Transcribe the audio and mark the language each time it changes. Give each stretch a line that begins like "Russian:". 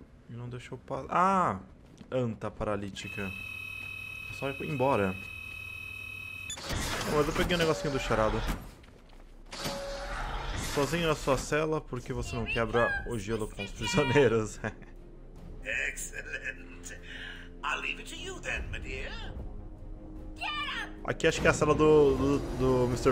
Portuguese: E não deixou passar. Ah! Anta paralítica. Só ir embora. Oh, mas eu peguei um negocinho do charada. Sozinho na sua cela, porque você não quebra o gelo com os prisioneiros. Excelente.
English: I'll leave it to you then, my dear.
Portuguese: Aqui acho que é a cela do Mr.